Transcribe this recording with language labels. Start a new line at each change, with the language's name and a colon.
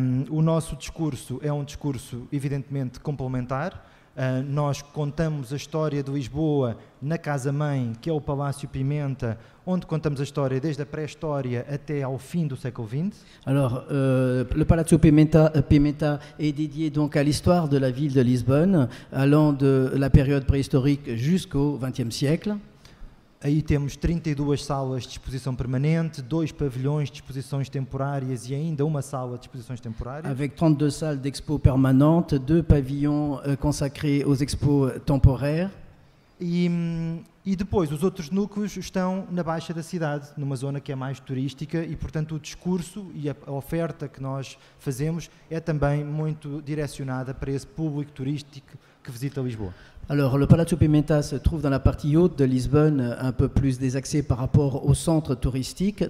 Portuguese: O nosso discurso é um discurso evidentemente complementar. Nós contamos a história de Lisboa na casa-mãe, que é o Palácio Pimenta, onde contamos a história desde a pré-história até ao fim do século XX.
French: Alors, le Palácio Pimenta é dédié donc à l'histoire de la ville de Lisbonne, allant de la période préhistorique jusqu'au XXe siècle.
Portuguese: Aí temos 32 salas de exposição permanente, dois pavilhões de exposições temporárias e ainda uma sala de exposições temporárias.
French: Avec 32 salles d'expo permanente, deux pavillons consacrés aux expos temporaires.
Portuguese: E depois, os outros núcleos estão na Baixa da cidade, numa zona que é mais turística, e portanto o discurso e a oferta que nós fazemos é também muito direcionada para esse público turístico que visita Lisboa.
French: Alors, le Palácio Pimenta se trouve dans la partie haute de Lisbonne, un peu plus désaxé par rapport au centre touristique.